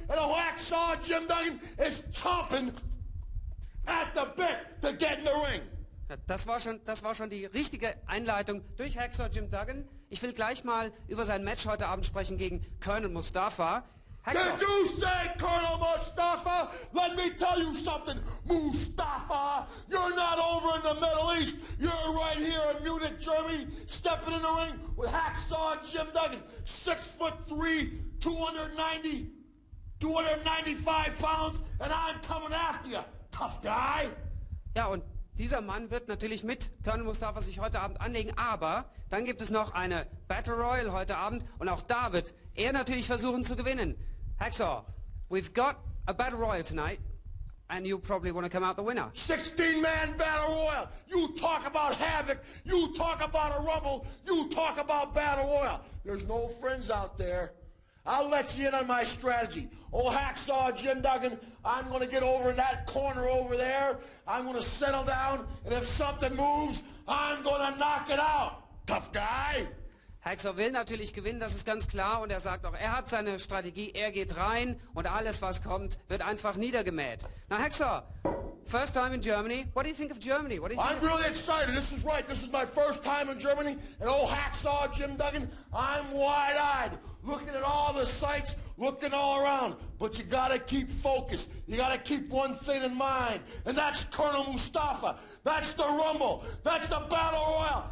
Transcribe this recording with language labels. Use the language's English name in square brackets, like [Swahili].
[English] And a Hacksaw Jim Duggan is chomping at the bit to get in the ring. [German] Ja, das war schon die richtige Einleitung durch Hacksaw Jim Duggan. Ich will gleich mal über sein Match heute Abend sprechen gegen Colonel Mustafa. [English] Hacksaw. Did you say Colonel Mustafa? Let me tell you something, Mustafa. You're not over in the Middle East. You're right here in Munich, Germany, stepping in the ring with Hacksaw Jim Duggan. 6'3", 295 pounds, and I'm coming after you, tough guy. [German] Ja, und dieser Mann wird natürlich mit Colonel Mustafa sich heute Abend anlegen, aber dann gibt es noch eine Battle Royal heute Abend und auch da wird er natürlich versuchen zu gewinnen. [English] Hacksaw, we've got a battle royal tonight, and you probably want to come out the winner. 16-man battle royal. You talk about havoc. You talk about a rumble. You talk about battle royal. There's no friends out there. I'll let you in on my strategy. Oh, Hacksaw Jim Duggan, I'm going to get over in that corner over there. I'm going to settle down, and if something moves, I'm going to knock it out. Tough guy. [German] Hacksaw will natürlich gewinnen, das ist ganz klar. Und er sagt auch, er hat seine Strategie, er geht rein und alles, was kommt, wird einfach niedergemäht. [English] Now, Hacksaw, first time in Germany. What do you think of Germany? What do you think? I'm really excited. This is right. This is my first time in Germany. And old Hacksaw Jim Duggan, I'm wide-eyed, looking at all the sights, looking all around. But you gotta keep focused. You gotta keep one thing in mind. And that's Colonel Mustafa. That's the rumble. That's the battle royal.